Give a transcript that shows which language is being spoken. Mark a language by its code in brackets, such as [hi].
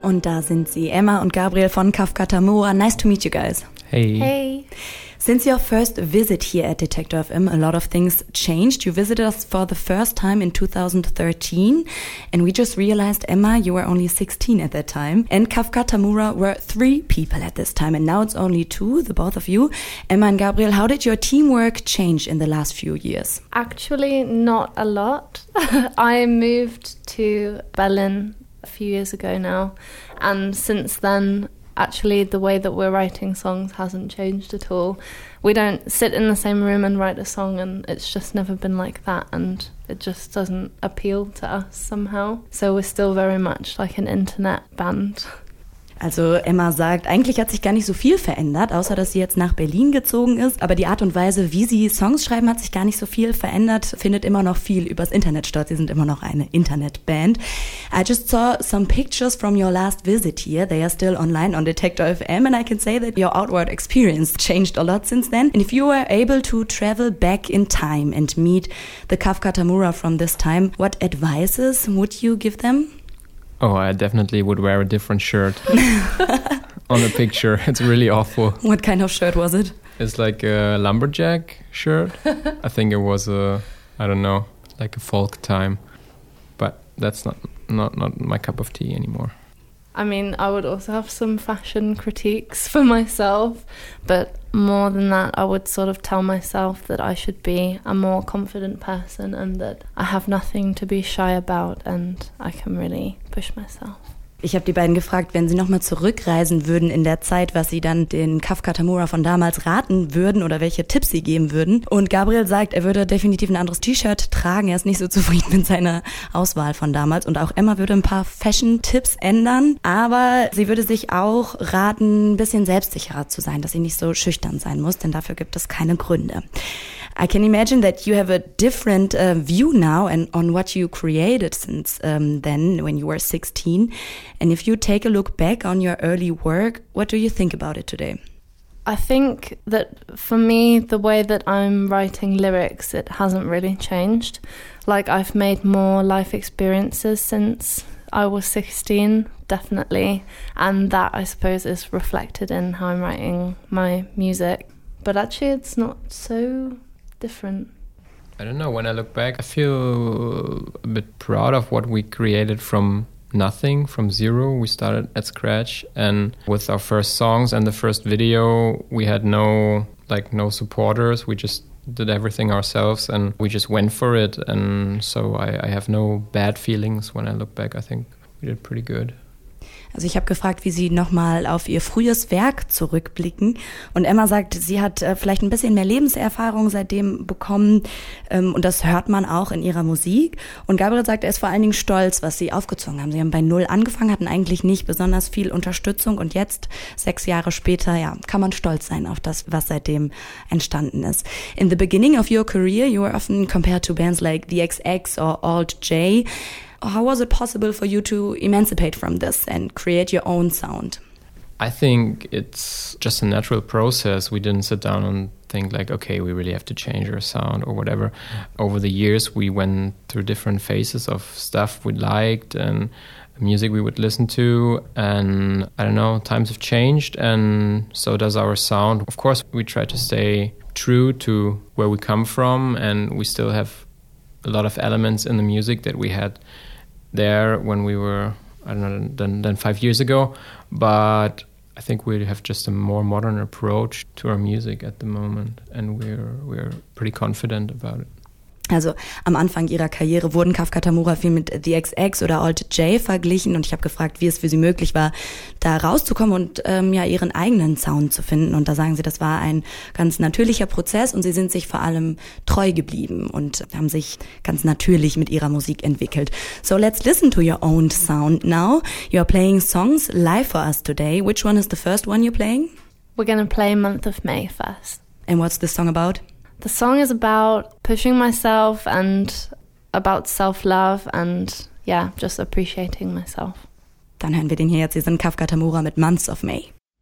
[de] Und da sind sie, Emma und Gabriel von Kafka Tamura. [en] Nice to meet you guys. Hey. Hey. Since your first visit here at Detector FM, a lot of things changed. You visited us for the first time in 2013, and we just realized, Emma, you were only 16 at that time, and Kafka Tamura were three people at this time, and now it's only two, the both of you. Emma and Gabriel, how did your teamwork change in the last few years? Actually, not a lot. I moved to Berlin a few years ago now, and since then, actually, the way that we're writing songs hasn't changed at all. We don't sit in the same room and write a song, and it's just never been like that, and it just doesn't appeal to us somehow. So we're still very much like an internet band. [de] Also Emma sagt, eigentlich hat sich gar nicht so viel verändert, außer dass sie jetzt nach Berlin gezogen ist. Aber die Art und Weise, wie sie Songs schreiben, hat sich gar nicht so viel verändert, findet immer noch viel übers Internet statt. Sie sind immer noch eine Internetband. [en] I just saw some pictures from your last visit here. They are still online on Detector FM, and I can say that your outward experience changed a lot since then. And if you were able to travel back in time and meet the Kafka Tamura from this time, what advices would you give them? Oh, I definitely would wear a different shirt on the picture. It's really awful. What kind of shirt was it? It's like a lumberjack shirt. I think it was a, I don't know, like a folk time. But that's not my cup of tea anymore. I mean, I would also have some fashion critiques for myself. But more than that, I would sort of tell myself that I should be a more confident person and that I have nothing to be shy about and I can really push myself. [de] Ich habe die beiden gefragt, wenn sie nochmal zurückreisen würden in der Zeit, was sie dann den Kafka Tamura von damals raten würden oder welche Tipps sie geben würden. Und Gabriel sagt, er würde definitiv ein anderes T-Shirt tragen. Er ist nicht so zufrieden mit seiner Auswahl von damals. Und auch Emma würde ein paar Fashion-Tipps ändern. Aber sie würde sich auch raten, ein bisschen selbstsicherer zu sein, dass sie nicht so schüchtern sein muss, denn dafür gibt es keine Gründe. [en] I can imagine that you have a different view now and on what you created since then when you were 16. And if you take a look back on your early work, what do you think about it today? I think that for me, the way that I'm writing lyrics, it hasn't really changed. Like I've made more life experiences since I was 16, definitely. And that, I suppose, is reflected in how I'm writing my music. But actually, it's not so different. I don't know. When I look back, I feel a bit proud of what we created from nothing, from zero. We started at scratch, and with our first songs and the first video, we had no supporters. We just did everything ourselves and we just went for it. And so I have no bad feelings when I look back. I think we did pretty good. [de] Also ich habe gefragt, wie sie nochmal auf ihr frühes Werk zurückblicken. Und Emma sagt, sie hat vielleicht ein bisschen mehr Lebenserfahrung seitdem bekommen. Und das hört man auch in ihrer Musik. Und Gabriel sagt, er ist vor allen Dingen stolz, was sie aufgezogen haben. Sie haben bei null angefangen, hatten eigentlich nicht besonders viel Unterstützung. Und jetzt, 6 Jahre später, ja, kann man stolz sein auf das, was seitdem entstanden ist. [en] In the beginning of your career, you were often compared to bands like The XX or Alt J. How was it possible for you to emancipate from this and create your own sound? I think it's just a natural process. We didn't sit down and think like, okay, we really have to change our sound or whatever. Over the years, we went through different phases of stuff we liked and music we would listen to. And I don't know, times have changed and so does our sound. Of course, we try to stay true to where we come from and we still have a lot of elements in the music that we had there when we were, I don't know, than 5 years ago. But I think we have just a more modern approach to our music at the moment. And we're pretty confident about it. [de] Also am Anfang ihrer Karriere wurden Kafka Tamura viel mit The XX oder Alt J verglichen. Und ich habe gefragt, wie es für sie möglich war, da rauszukommen und ihren eigenen Sound zu finden. Und da sagen sie, das war ein ganz natürlicher Prozess und sie sind sich vor allem treu geblieben und haben sich ganz natürlich mit ihrer Musik entwickelt. [en] So let's listen to your own sound now. You are playing songs live for us today. Which one is the first one you're playing? We're gonna play Month of May first. And what's this song about? The song is about pushing myself and about self-love and, yeah, just appreciating myself. [de] Dann hören wir den hier jetzt. Sie sind Kafka Tamura mit Months of May.